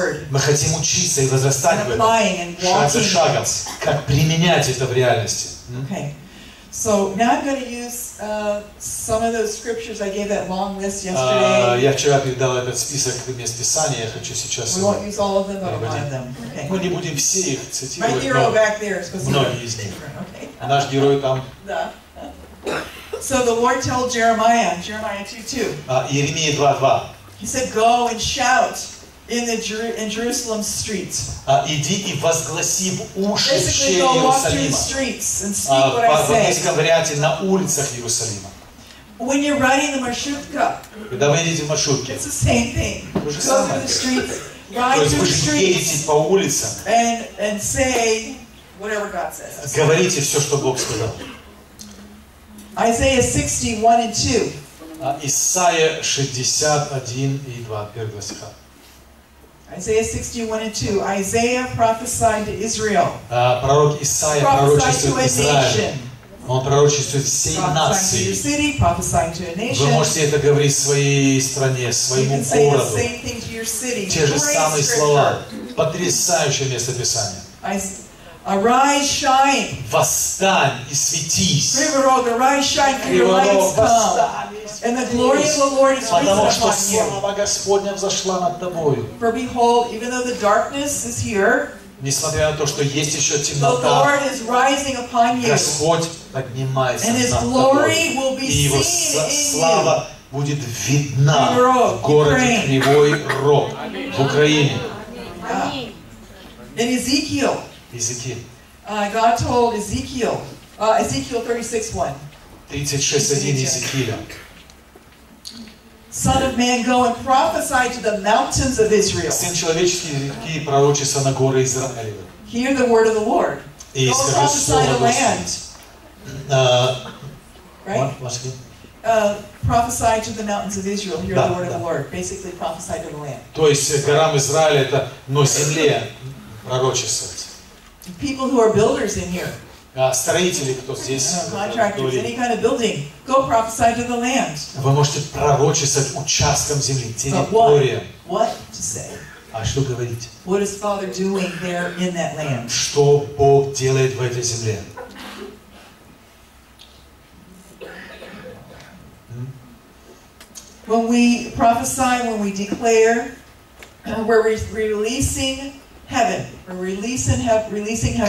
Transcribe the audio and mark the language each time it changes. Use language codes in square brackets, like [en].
[ru] Мы хотим учиться и возрастать в этом. Шаг за шагом. Как применять это в реальности. [en] Okay. So now I'm going to use some of those scriptures I gave that long list yesterday. [ru] Я вчера передал этот список мест Писания, я хочу сейчас его. [en] We won't use all of them, but one of them. Okay. [ru] Мы не будем все их цитировать. [en] My hero back there is [ru] многие из них. [en] Okay. [ru] Наш герой там. [en] Да. So the Lord told Jeremiah, Jeremiah 2:2. [ru] Иеремия 2:2. [en] He said, "Go and shout in Jerusalem's streets." [ru] Иди и возгласи в уши Иерусалима. В английском варианте на улицах Иерусалима. [en] When you're riding the маршрутка. [ru] Когда вы едете в маршрутке. [en] It's the same thing. Go through the streets, ride through the streets. [ru] То есть вы едете по улицам. [en] And say whatever God says. [ru] Говорите все, что Бог сказал. [en] Isaiah 61:2. [ru] Исайя 61:2. Первый стих. [en] Isaiah 61:2. Isaiah prophesied to Israel. [ru] Пророк Исаия пророчествует Израилю. Он пророчествует всей нации. [en] City, prophesying to a nation. [ru] Вы можете это говорить своей стране, своему городу. [en] You can say the same thing to your city. [ru] Те же самые слова. Потрясающее место Писания. [en] Arise, shine. [ru] Восстань и светись. [en] Криворог, arise, shine, for your light has come. And the glory of the Lord is risen upon you. [ru] Потому что слава Господня взошла над тобою. [en] For behold, even though the darkness is here, [ru] несмотря на то, что есть еще темнота, [en] the Lord is rising upon you. [ru] Господь поднимается над тобой. [en] And His glory will be seen in you. [ru] И Его слава будет видна в городе Кривой Рог в Украине. [en] In Ezekiel. God told Ezekiel, Ezekiel 36:1. 36:1 Ezekiel. Son of man, go and prophesy to the mountains of Israel. [ru] Сын человеческий, иди и пророчества на горы Израилевы. [en] Hear the word of the Lord. Go and prophesy to land. Right? Prophesy to the mountains of Israel. Hear the word of the Lord. Basically, prophesy to the land. [ru] То есть горам Израиля это, но земле пророчествовать. [en] People who are builders in here. [ru] Строители, кто здесь? [en] Contractors, any kind of building. Go prophesy to the land. [ru] Вы можете пророчествовать участком земли, территориям. [en] What to say? [ru] А что говорить? [en] What is Father doing there in that land? [ru] Что Бог делает в этой земле? [en] When we prophesy, when we declare, we're releasing heaven, releasing heaven.